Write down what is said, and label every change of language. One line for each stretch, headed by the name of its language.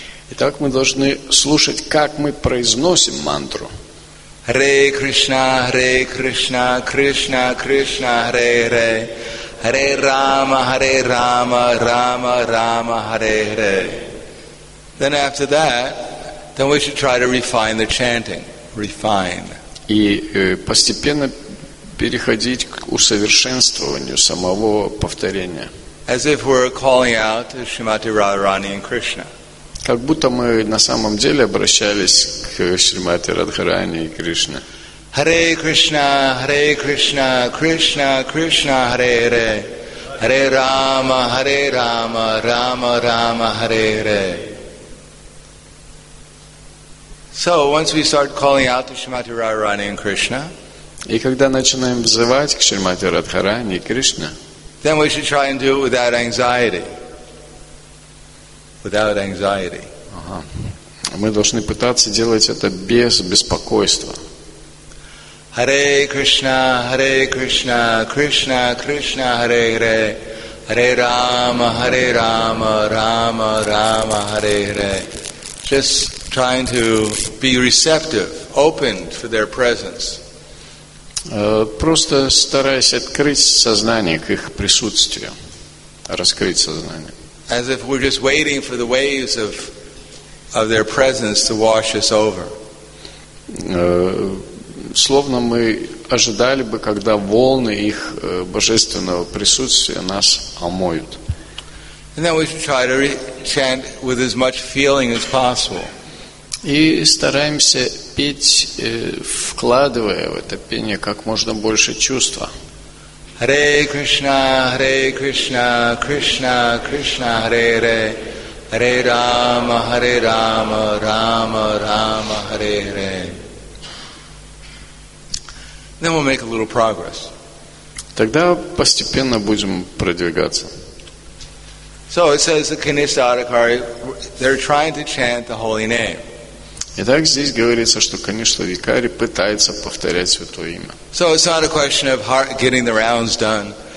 Russian: Итак, мы должны слушать, как мы произносим мантру.
Sanskrit: Hare Krishna, Hare Krishna, Krishna Krishna, Hare Hare. Hare Rama, Hare Rama, Rama Rama, Hare Hare.
English: Then after that, then we should try to refine the chanting. Refine.
Russian: И постепенно переходить к усовершенствованию самого повторения.
English: As if we're calling out to Shrimati Radharani and Krishna.
Russian: Как будто мы на самом деле обращались к Шримати Радхарани и Кришне.
Sanskrit: Hare Krishna, Hare Krishna, Krishna Krishna, Hare Hare. Hare Rama, Hare Rama, Rama Rama, Hare Hare.
English: So once we start calling out to Shrimati Radharani and Krishna,
Russian: и когда начинаем взывать к Шримати Радхарани и Кришне,
English: then we should try and do it without anxiety. Without anxiety.
Russian: Мы должны пытаться делать это без беспокойства.
Sanskrit: Hare Krishna, Hare Krishna, Krishna Krishna, Hare Hare. Hare Rama, Hare Rama, Rama Rama, Hare Hare.
English: Just trying to be receptive, open for their presence.
Russian: Просто стараясь открыть сознание к их присутствию. Раскрыть сознание.
English: As if we're just waiting for the waves of their presence to wash us over.
Russian: Словно мы ожидали бы, когда волны их божественного присутствия нас омоют.
English: And then we should try to chant with as much feeling as possible.
Russian: И стараемся петь, вкладывая в это пение как можно больше чувства.
Sanskrit: Hare Krishna, Hare Krishna, Krishna Krishna, Hare Hare. Hare Rama, Hare Rama, Rama Rama, Hare Hare.
English: Then we'll make a little progress.
Russian: Тогда постепенно будем продвигаться.
English: So it says the Kanishtha Adhikari, they're trying to chant the holy name.
Russian: Итак, здесь говорится, что Kanishtha Adhikari пытается повторять святое имя.
English: So it's not a question of getting the rounds done.